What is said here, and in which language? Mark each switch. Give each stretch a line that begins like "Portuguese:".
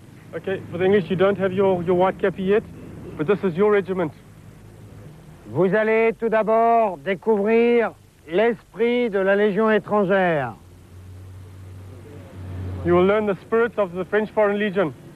English: Okay, for the English, you don't have your white cap yet, but this is your regiment.
French: Vous allez tout d'abord découvrir l'esprit de la Légion étrangère.
English: You will learn the spirit of the French Foreign Legion.